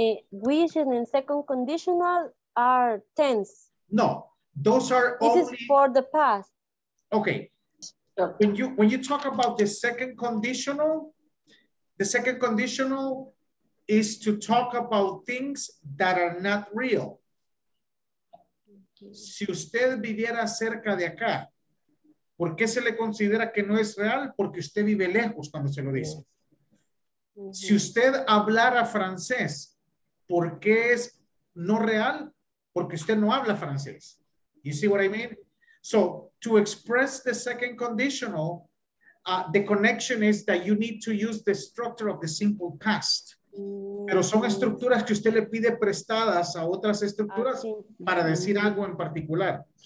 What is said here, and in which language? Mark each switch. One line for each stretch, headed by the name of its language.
English: Wishing and second conditional are tense. No, those are this only is for the past. Okay. When you talk about the second conditional is to talk about things that are not real.
Spanish: Si usted viviera cerca de acá, ¿por qué se le considera que no es real? Porque usted vive lejos cuando se lo dice. Si usted hablara francés, ¿por qué es no real? Porque usted no habla francés.
English: You see what I mean? So, to express the second conditional, the connection is that you need to use the structure of the simple past.
Spanish: Pero son estructuras que usted le pide prestadas a otras estructuras para decir algo en particular.